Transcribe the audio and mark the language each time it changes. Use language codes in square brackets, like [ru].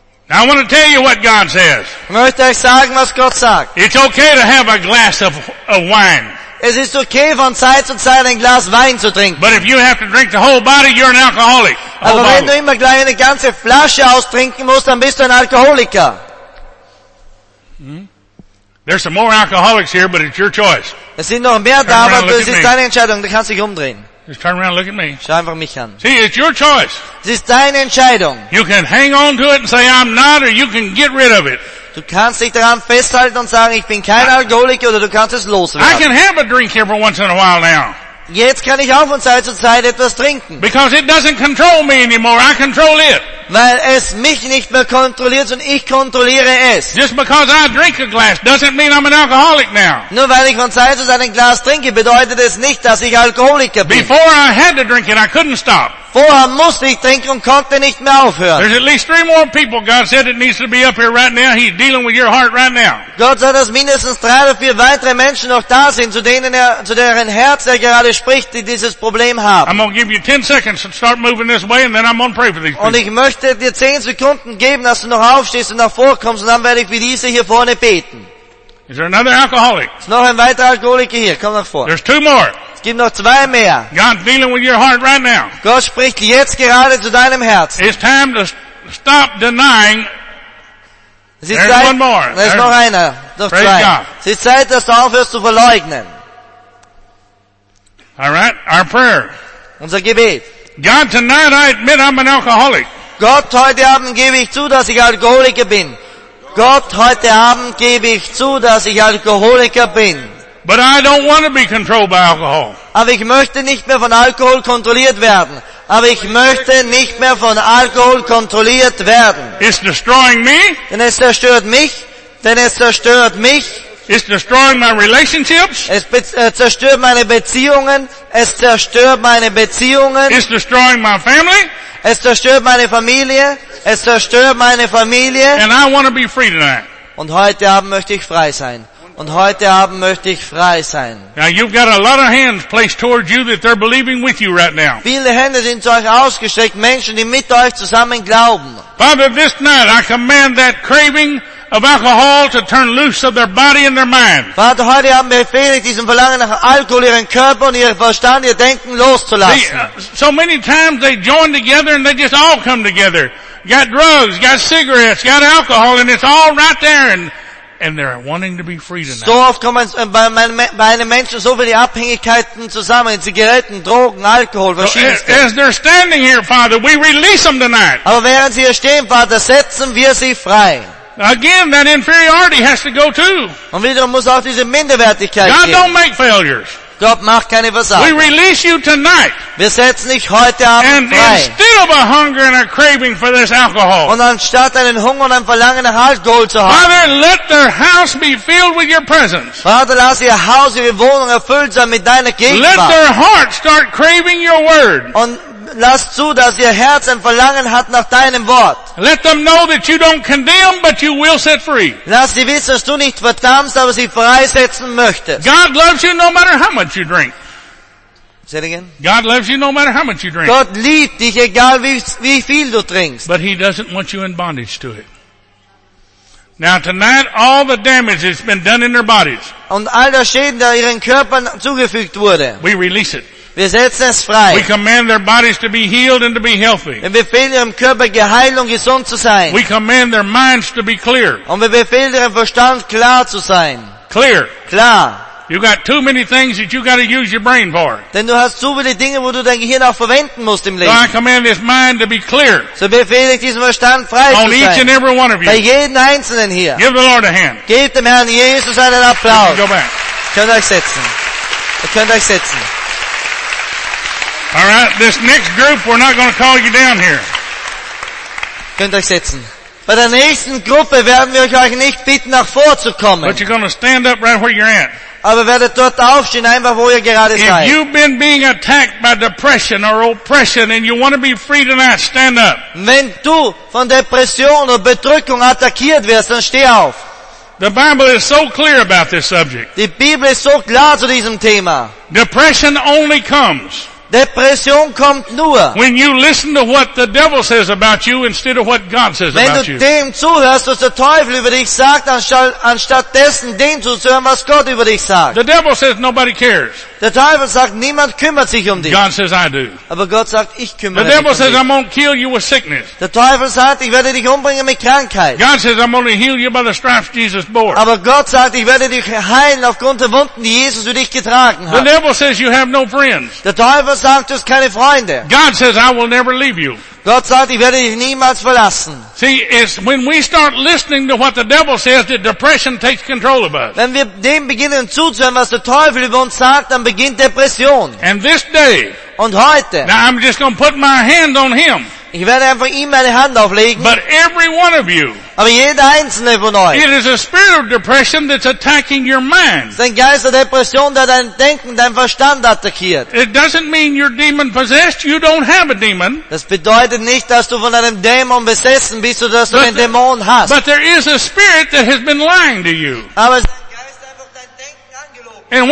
[en] I want to tell you what God says. [de] Ich möchte euch sagen, was Gott sagt. [en] It's okay to have a glass of wine. [de] Es ist okay, von Zeit zu Zeit ein Glas Wein zu trinken. [en] But if you have to drink the whole body, you're an alcoholic. [de] Aber wenn du immer gleich eine ganze Flasche austrinken musst, dann bist du ein Alkoholiker. [en] There's some more alcoholics here, but it's your choice. [de] Es sind noch mehr da, aber es ist deine Entscheidung. Du kannst dich umdrehen. [en] Just turn around and look at me. [de] Schau einfach mich an. [en] See, it's your choice. [de] Es ist deine Entscheidung. [en] You can hang on to it and say I'm not, or you can get rid of it. [de] Du kannst dich daran festhalten und sagen, ich bin kein Alkoholiker, oder du kannst es loswerden. [en] I can have a drink every once in a while now. [de] Jetzt kann ich auch von Zeit zu Zeit etwas trinken. [en] Because it doesn't control me anymore, I control it. [de] Weil es mich nicht mehr kontrolliert, sondern ich kontrolliere es. [en] Just because I drink a glass doesn't mean I'm an alcoholic now. [de] Nur weil ich von Zeit zu Zeit ein Glas trinke, bedeutet es nicht, dass ich Alkoholiker bin. [en] Before I had to drink it, I couldn't stop. [de] Vorher musste ich trinken und konnte nicht mehr aufhören. [en] There's at least three more people God said that needs to be up here right now. He's dealing with your heart right now. [de] Gott sagt, dass mindestens drei oder vier weitere Menschen noch da sind, zu deren Herz er gerade spricht, die dieses Problem haben. [en] I'm gonna give you 10 seconds to start moving this way, and then I'm gonna pray for these people. [de] Und ich möchte dir 10 Sekunden geben, dass du noch aufstehst und nach vorne kommst, und dann werde ich für diese hier vorne beten. [en] Is there another alcoholic? [de] Ist noch ein weiterer Alkoholiker hier? Komm nach vorne. [en] There's two more. [de] Gib noch zwei mehr. [en] God's dealing with your heart right now. [de] Gott spricht jetzt gerade zu deinem Herzen. [en] It's time to stop denying. There's one more. There's [de] noch einer. Noch [en] praise [de] zwei. [en] God. [de] Es ist Zeit, dass du aufhörst zu verleugnen. [en] Alright, our prayer. [de] Unser Gebet. [en] God, tonight I admit I'm an alcoholic. [de] Gott, heute Abend gebe ich zu, dass ich Alkoholiker bin. Gott, heute Abend gebe ich zu, dass ich Alkoholiker bin. [en] But I don't want to be controlled by alcohol. [de] Aber ich möchte nicht mehr von Alkohol kontrolliert werden. Aber ich möchte nicht mehr von Alkohol kontrolliert werden. [en] It's destroying me. [de] Denn es zerstört mich. Denn es zerstört mich. [en] It's destroying my relationships. [de] Es zerstört meine Beziehungen. Es zerstört meine Beziehungen. [en] It's destroying my family. [de] Es zerstört meine Familie. Es zerstört meine Familie. [en] And I want to be free tonight. [de] Und heute Abend möchte ich frei sein. Und heute Abend möchte ich frei sein. [en] Now you've got a lot of hands placed towards you that they're believing with you right now. [de] Viele Hände sind zu euch ausgestreckt, Menschen, die mit euch zusammen glauben. [en] Father, this night I command that craving of alcohol to turn loose of their body and their mind. [de] Vater, heute Abend befehle ich diesem Verlangen nach Alkohol ihren Körper und ihren Verstand, ihr Denken loszulassen. [en] So many times they join together and they just all come together. Got drugs, got cigarettes, got alcohol, and it's all right there. And they're wanting to be free tonight. [de] So oft kommen bei einem Menschen so viele Abhängigkeiten zusammen, Zigaretten, Drogen, Alkohol, verschiedenes. [en] So, as they're standing here, Father, we release them tonight. [de] Aber während sie hier stehen, Vater, setzen wir sie frei. [en] Again, that inferiority has to go too. [de] Und wiederum muss auch diese Minderwertigkeit [en] God [de] gehen. [en] God don't make failures. [de] Gott macht keine Versagen. [en] We release you tonight. [de] Wir setzen dich heute Abend frei. [en] And instead of a hunger and a craving for this alcohol. [de] Und anstatt einen Hunger und ein Verlangen nach Alkohol zu haben. [en] Father, let their house be filled with your presence. [de] Vater, lass ihr Haus, ihre Wohnung erfüllt sein mit deiner Gegenwart. [en] Let their heart start craving your word. [de] Und lass zu, dass ihr Herz ein Verlangen hat nach deinem Wort. [en] Let them know that you don't condemn, but you will set free. [de] Lass sie wissen, dass du nicht verdammst, aber sie freisetzen möchtest. [en] God loves you no matter how much you drink. Say it again. God loves you no matter how much you drink. [de] Gott liebt dich, egal wie viel du trinkst. [en] But he doesn't want you in bondage to it. Now tonight, all the damage that's been done in their bodies. [de] Und all der Schaden, der ihren Körpern zugefügt wurde. [en] We release it. [de] Wir setzen es frei. [en] We command their bodies to be healed and to be healthy. [de] Und wir befehlen ihrem Körper geheilt und gesund zu sein. [en] We command their minds to be clear. [de] Und wir befehlen ihrem Verstand klar zu sein. [en] Clear. [de] Klar. [en] You got too many things that you got to use your brain for. [de] Denn du hast zu viele Dinge, wo du dein Gehirn auch verwenden musst im Leben. [en] So I command this mind to be clear. [de] So befehle ich diesen Verstand frei zu sein. [en] On each and every one of you. [de] Bei jedem einzelnen hier. [en] Give the Lord a hand. [de] Gebt dem Herrn Jesus einen Applaus. [en] You can go back. [de] Ihr könnt euch setzen. [en] All right, this next group, we're not going to call you down here. [de] Könnt euch setzen. Bei der nächsten Gruppe werden wir euch nicht bitten, nach vorne zu kommen. [en] But you're going to stand up right where you're at. [de] Aber werdet dort aufstehen, einfach wo ihr gerade seid. [en] If you've been being attacked by depression or oppression and you want to be free tonight, stand up. [de] Wenn du von Depression oder Bedrückung attackiert wirst, dann steh auf. [en] The Bible is so clear about this subject. [de] Die Bibel ist so klar zu diesem Thema. [en] Depression only comes. [de] Depression kommt nur. [en] When you listen to what the devil says about you instead of what God says [de] Wenn [en] about you. [de] Wenn du dem zuhörst, was der Teufel über dich sagt, anstatt dessen dem zu hören, was Gott über dich sagt. [en] The devil says nobody cares. [de] Der Teufel sagt, niemand kümmert sich um dich. [en] God says I do. [de] Aber Gott sagt, ich kümmere [en] the devil [de] mich [en] says, [de] um dich. [en] I'm gonna kill you with sickness. [de] Der Teufel sagt, ich werde dich umbringen mit Krankheit. [en] God says I'm gonna heal you by the stripes Jesus bore. [de] Aber Gott sagt, ich werde dich heilen aufgrund der Wunden, die Jesus für dich getragen hat. [en] The devil says you have no friends. [de] Der Teufel sagt, du hast keine Freunde. [en] God says I will never leave you. [de] Gott sagt, ich werde dich niemals verlassen. [en] See, it's when we start listening to what the devil says that depression takes control of us. [de] Wenn wir dem beginnen zuzuhören, was der Teufel über uns sagt, dann beginnt Depression. [en] And this day. [de] Und heute. [en] Now I'm just going to put my hand on him. [de] Ich werde einfach ihm meine Hand auflegen. [en] But every one of you. [de] Aber jeder einzelne von euch. [en] It is a spirit of depression that's attacking your mind. [de] Ein Geist der Depression, der dein Denken, dein Verstand attackiert. [en] It doesn't mean you're demon possessed. You don't have a demon. [de] Das bedeutet nicht, dass du von einem Dämon besessen bist oder dass du einen Dämon hast. [en] But there is a spirit that has been lying to you. [de] Aber es ist ein Geist, der einfach dein Denken angelogen.